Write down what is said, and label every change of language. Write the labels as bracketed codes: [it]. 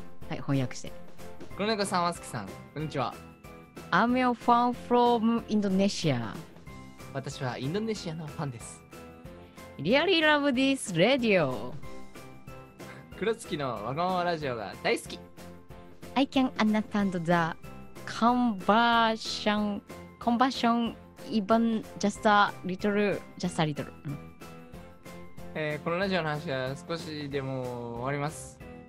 [ja] はい、翻訳して。黒猫さん、マスキさん、こんにちは。 [en] I'm your fan from Indonesia. [ja] 私はインドネシアのファンです。 [en] Really love this radio. [ja] 黒月のわがままラジオが大好き。 [en] I can understand the conversation even just a little.、う [ja] ん、このラジオの話は少しでも終わります。